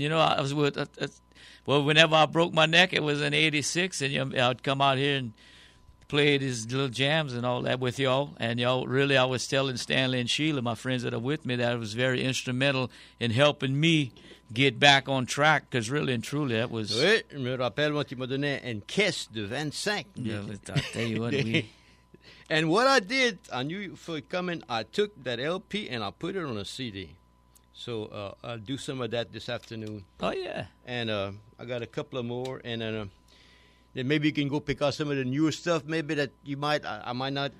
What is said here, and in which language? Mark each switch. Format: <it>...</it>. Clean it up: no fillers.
<en>You know, I was with, whenever I broke my neck, it was in 86, and you know, I'd come out here and play these little jams and all that with y'all. And, y'all, really, I was telling Stanley and Sheila, my friends that are with me, that it was very instrumental in helping me get back on track, because really and truly, that was.</en> <fr>Oui, je me rappelle, moi, tu m'as donné une caisse de 25.</fr> <en>Yeah, I'll tell you what, we. And what I did, I knew for coming, I took that LP and I put it on a CD. So I'll do some of that this afternoon. Oh, yeah. And I got a couple of more. And then maybe you can go pick out some of the newer stuff maybe that you might, I might not.</en>